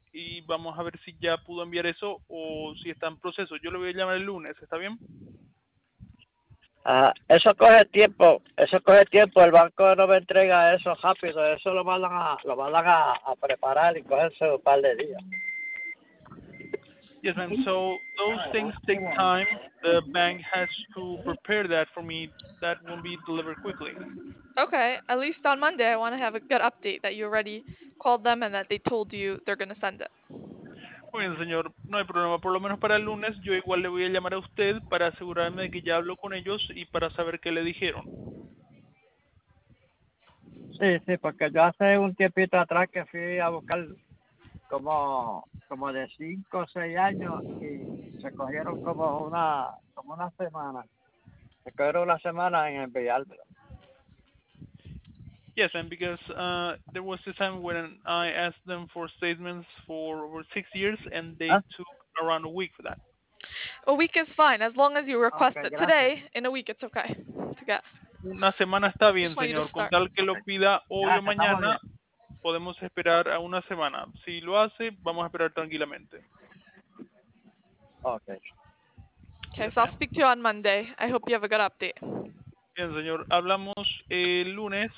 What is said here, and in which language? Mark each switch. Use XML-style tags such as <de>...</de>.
<es>Y vamos a ver si ya pudo enviar eso o si está en proceso. Yo lo voy a llamar el lunes, ¿está bien? Eso coge tiempo. El banco no me entrega eso rápido. Eso lo mandan a preparar y cogerse un par de días.</es> <en>Yes, ma'am. So those things take time. The bank has to prepare that for me. That will be delivered quickly. Okay. At least on Monday, I want to have a good update that you already called them and that they told you they're going to send it.</en> <es>Muy bien, señor. No hay problema. Por lo menos para el lunes, yo igual le voy a llamar a usted para asegurarme de que ya hablo con ellos y para saber qué le dijeron. Sí, sí, porque yo hace un tiempito atrás que fui a buscar como de 5 o 6 años y se cogieron como una semana en enviármelo.</es> <en>Yes, and because there was a time when I asked them for statements for over 6 years and they took around a week for that. A week is fine, as long as you request it today, in a week it's okay to get.</en> <es>Una semana está bien, señor. Con tal que lo pida hoy o mañana, podemos esperar a una semana. Si lo hace, vamos a esperar tranquilamente.</es> <en>Okay, so I'll speak to you on Monday. I hope you have a good update.</en> <es>Bien, señor. Hablamos el lunes.</es>